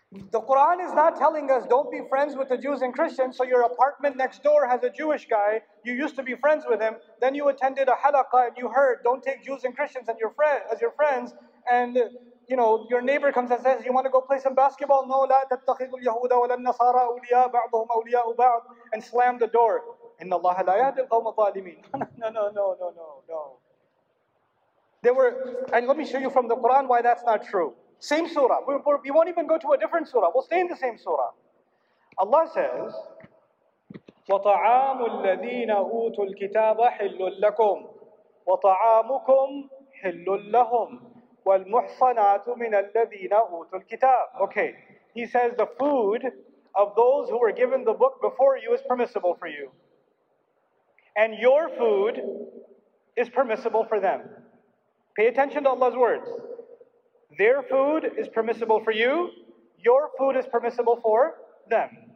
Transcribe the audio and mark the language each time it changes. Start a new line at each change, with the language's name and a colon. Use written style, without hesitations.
English: The Quran is not telling us, don't be friends with the Jews and Christians, so your apartment next door has a Jewish guy, you used to be friends with him, then you attended a halaqah and you heard, don't take Jews and Christians and as your friends, and you know, your neighbor comes and says, you want to go play some basketball?
Arabic: No, لا تتخذوا اليهود ولا النصارى أولياء بعضهم أولياء بعض,
English: and slam the door.
Arabic: إِنَّ اللَّهَ لَا يَهْدِي الْقَوْمَ الظَّالِمِينَ. No.
English: They were, and let me show you from the Quran why that's not true. Same surah. We won't even go to a different surah. We'll stay in the same surah. Allah says,
Arabic: وَطَعَامُ الَّذِينَ أُوتُوا الْكِتَابَ حِلُّ لَكُمْ وَطَعَامُكُمْ حِلُّ لَهُمْ وَالْمُحْصَنَاتُ مِنَ الَّذِينَ أُوتُوا الْكِتَابَ.
English: Okay, he says the food of those who were given the book before you is permissible for you. And your food is permissible for them. Pay attention to Allah's words. Their food is permissible for you. Your food is permissible for them.